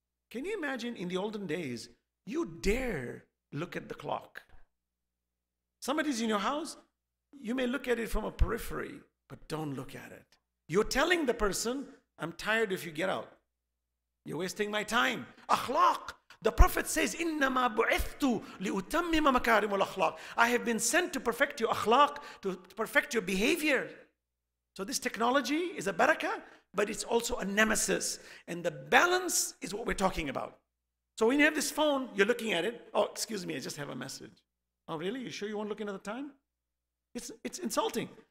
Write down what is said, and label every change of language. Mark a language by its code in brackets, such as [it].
[en] Can you imagine in the olden days, you dare look at the clock? Somebody's in your house, you may look at it from a periphery, but don't look at it. You're telling the person, I'm tired if you get out. You're wasting my time. Akhlaq. The Prophet says, [ar] إِنَّمَا بُعِثْتُ لِأُتَمِّمَ مَكَارِمُ الْأَخْلَاقِ. [en] I have been sent to perfect your akhlaq, to perfect your behavior. So this technology is a barakah, but it's also a nemesis. And the balance is what we're talking about. So when you have this phone, you're looking at it. Oh, excuse me, I just have a message. Oh, really? You sure you won't look into the time? It's insulting.